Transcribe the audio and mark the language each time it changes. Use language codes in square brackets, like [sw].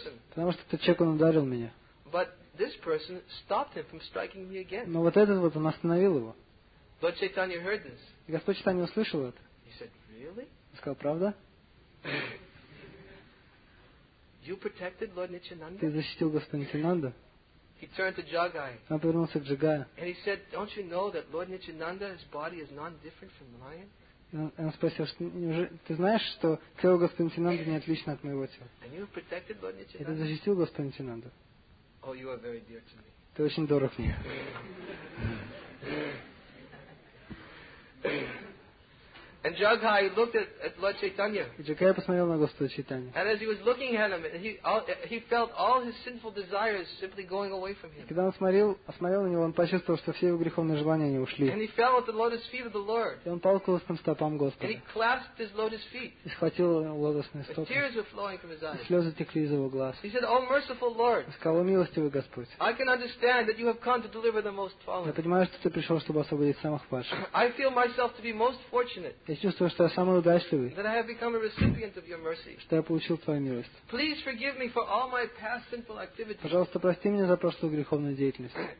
[ru] Потому что этот человек, он ударил меня. Но вот этот вот, он остановил его. И Господь Чайтанья услышал это. Он сказал, правда? [en] You protected Lord Nityananda? [ru] Ты защитил Господа Нитянанду? [en] He turned to Jagai. [ru] Он повернулся к Джагаю. [en] And he said, "Don't you know that Lord Nityananda's body is non-different from mine?" [ru] Он спросил, ты знаешь, что тело Господа Нитянанды не отлично от моего тела? [en] And you protected Lord Nityananda? [ru] И ты защитил Господа Нитянанду? [en] Oh, you are very dear to me. [ru] Ты очень дорог мне. [en] And Jagai looked at Lord Chaitanya. [ru] И Джагай посмотрел на Господа Чайтанью. [en] And as he was looking at him, he felt all his sinful desires simply going away from him. [ru] И когда он смотрел на него, он почувствовал, что все его греховные желания не ушли. [en] And he fell at the lotus feet of the Lord. [ru] И он пал к лотосным стопам Господа. [en] And he clasped his lotus feet. [ru] И схватил лотосные стопы. [en] The tears were flowing from his eyes. [ru] И слезы текли из его глаз. [en] He said, "Oh merciful Lord." [ru] Он сказал, милостивый Господь. [en] I can understand that you have come to deliver the most fallen. [ru] Я понимаю, что ты пришел, чтобы освободить самых падших. [en] I feel myself to be most fortunate. [ru] Я чувствую, что я самый удачливый, что я получил твою милость. Пожалуйста, прости меня за прошлую греховную деятельность.